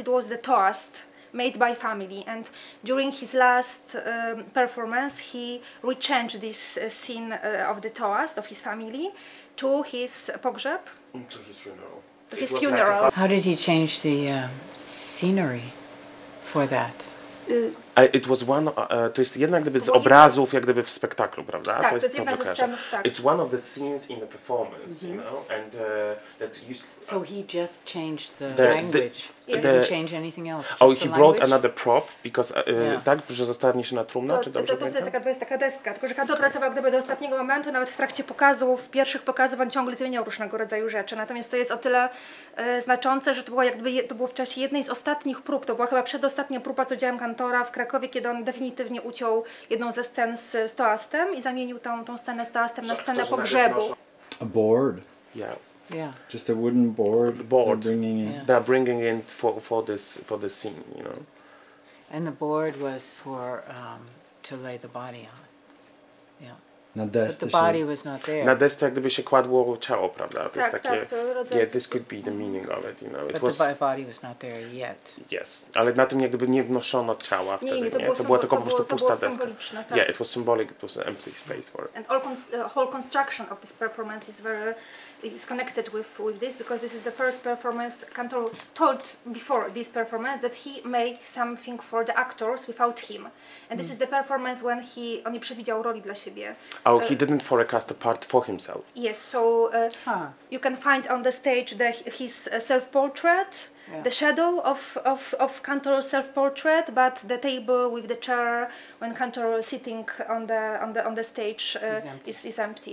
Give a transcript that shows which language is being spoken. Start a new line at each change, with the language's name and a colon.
English: It was the toast made by family, and during his last performance, he rechanged this scene of the toast of his family to his
Polish: pogrzeb.
English: To his funeral. To his funeral. How did he change the scenery for that? It was one.
Polish: To jest jedna gdyby z obrazów, jak gdyby w spektaklu, prawda? Tak, to jest to, tak.
English: It's one of the scenes in the performance, mm-hmm. you know, and that used. So he just changed the language. He didn't change anything else. Oh, he the brought another prop because
Polish: tak, że została wniesiona trumna, czy dobrze pamiętam? To jest taka deska. Tylko że Kantor pracował gdyby do ostatniego momentu, nawet w trakcie pokazów, w pierwszych pokazów, on ciągle zmieniał różnego rodzaju rzeczy. Natomiast to jest o tyle znaczące, że to było jak gdyby to było w czasie jednej z ostatnich prób. To była chyba przedostatnia próba z udziałem Kantora w Krakowie, kiedy on definitywnie uciął jedną ze scen z toastem i zamienił tą scenę z toastem na scenę pogrzebu.
English: A board. Yeah. Yeah. Just a wooden board. Board. They're bringing in for this scene, you know. And the board was for to lay the body on.
Polish: Na desce.
English: But the body was not there.
Polish: Na desce, jak gdyby się kładło ciało, prawda? To jest takie.
English: Yeah, this could be the meaning of it, you know. But the body was not there yet. Yes,
Polish: ale na tym, jak gdyby nie wnoszono ciała wtedy, nie? To było tylko po prostu pusta deska.
English: Yeah, it was symbolic, it was an empty space for it. And all whole construction of this performance is connected with this, because this is the first performance Kantor told before this performance that he made something for the actors without him. And this is the performance when he only
Polish: przewidział roli dla siebie.
English: Oh, he didn't forecast a part for himself. Yes, so you can find on the stage his self-portrait, the shadow of Kantor's self-portrait, but the table with the chair when Kantor is sitting on the stage is empty.